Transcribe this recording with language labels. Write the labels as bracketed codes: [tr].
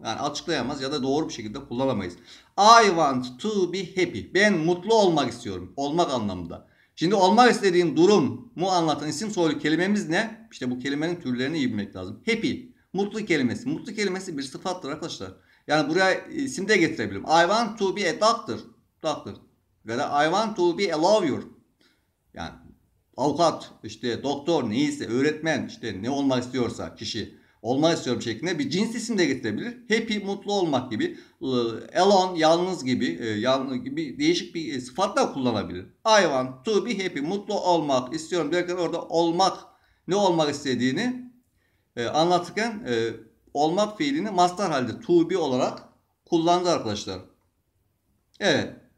[tr] Yani açıklayamaz ya da doğru bir şekilde kullanamayız. [en] I want to be happy. [tr] Ben mutlu olmak istiyorum. Olmak anlamında. Şimdi olmak istediğin durum mu anlatan isim soylu kelimemiz ne? İşte bu kelimenin türlerini iyi bilmek lazım. Happy. Mutlu kelimesi. Mutlu kelimesi bir sıfattır arkadaşlar. Yani buraya isim de getirebilirim. [en] I want to be a doctor. Doctor. [tr] Veya [en] I want to be a lawyer. [tr] Yani avukat, işte doktor, neyse, öğretmen, işte ne olmak istiyorsa kişi, olmak istiyorum şeklinde bir cins isim de getirebilir. Happy, mutlu olmak gibi, alone, yalnız gibi, yalnız gibi değişik bir sıfat da kullanabilir. [en] I want to be happy, [tr] mutlu olmak istiyorum derken orada olmak, ne olmak istediğini anlatırken olmak fiilini mastar halde to be olarak kullandı arkadaşlar. Evet.